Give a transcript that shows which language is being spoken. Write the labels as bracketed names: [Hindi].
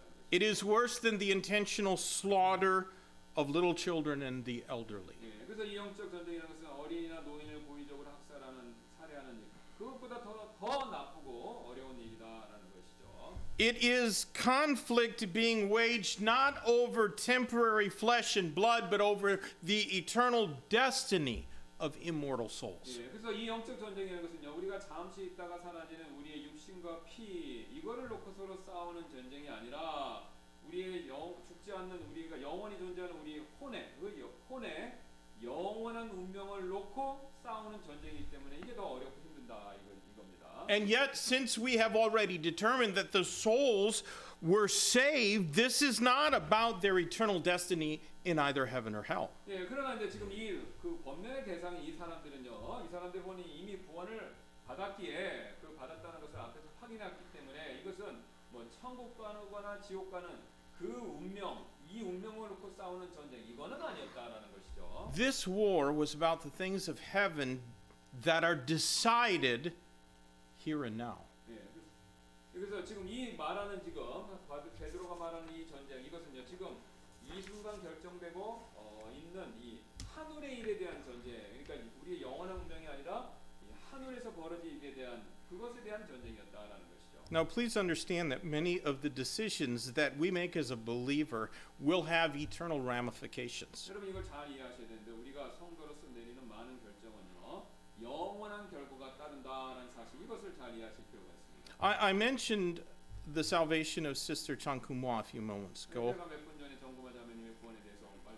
[English] It is worse than the intentional slaughter of little children and the elderly. [Korean] 예, 그래서 이 영적 전쟁이라는 것은 어린이나 노인을 고의적으로 학살하는 살해하는 일. 그것보다 더 나쁘고 어려운 일이다라는 것이죠. [English] It is conflict being waged not over temporary flesh and blood, but over the eternal destiny of immortal souls. [Korean] 예, 그래서 이 영적 전쟁이라는 것은요, 우리가 잠시 있다가 사라지는 우리의 육신과 피 이거를 놓고서로 싸우는 전쟁이 아니라 우리의 죽지 않는 우리가 영원히 존재하는 우리의 혼의 그 혼의 영원한 운명을 놓고 싸우는 전쟁이기 때문에 이게 더 어렵고 힘든다 이겁니다. [English] And yet, since we have already determined that the souls were saved, this is not about their eternal destiny in either heaven or hell. [Korean] 예, 그러나 이제 지금 이 그 권면의 대상이 이 사람들은요, 이 사람들 혼이 이미 구원을 받았기에 그 받았다는 것을 앞에서 확인했기 때문에 이것은 뭐 천국과나 지옥과는 그 운명 이 운명을 놓고 싸우는 전쟁 이거는 아니었다라는 것이죠. [English] This war was about the things of heaven that are decided here and now. [Korean] 예, 그래서 지금 이 말하는 지금 베드로가 말하는 이 전쟁 이것은요 지금 이 순간 결정되고 있는 이 하늘의 일에 대한 전쟁 그러니까 우리의 영원한 운명이 아니라 하늘에서 벌어진 일에 대한 그것에 대한 전쟁이었다라는 것이죠. [English] Now please understand that many of the decisions that we make as a believer will have eternal ramifications. [Korean] 여러분 이걸 잘 이해하셔야 되는데 우리가 성도로서 내리는 많은 결정은요 영원한 결과가 따른다라는 사실 이것을 잘 이해하실 필요가 있습니다. [English] I mentioned the salvation of Sister Chan Kumwa a few moments ago. [Korean] 제가 몇 분 전에 전공하자면 이 구원에 대해서